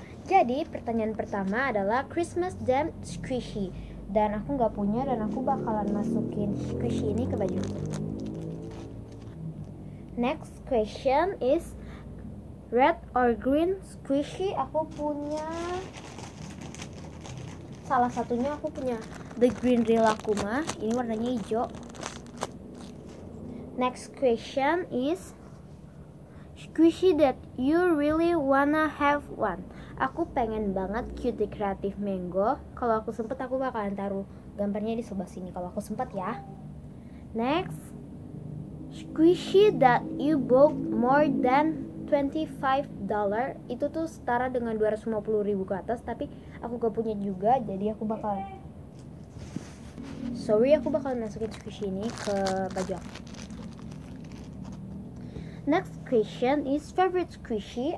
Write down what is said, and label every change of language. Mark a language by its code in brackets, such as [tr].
[id] Jadi pertanyaan pertama adalah Christmas jam squishy, dan aku nggak punya, dan aku bakalan masukin squishy ini ke baju. [en] Next question is red or green squishy. [id] Aku punya salah satunya, aku punya the green rilakuma, ini warnanya hijau. [en] Next question is squishy that you really wanna have one. [id] Aku pengen banget cute kreatif mango. Kalau aku sempet, aku bakalan taruh gambarnya di sebelah sini kalau aku sempet ya. [en] Next, squishy that you bought more than $25. [id] Itu tuh setara dengan 250.000 ke atas, tapi aku gak punya juga, jadi aku bakalan, sorry, aku bakalan masukin squishy ini ke baju aku. [en] Next question is favorite squishy.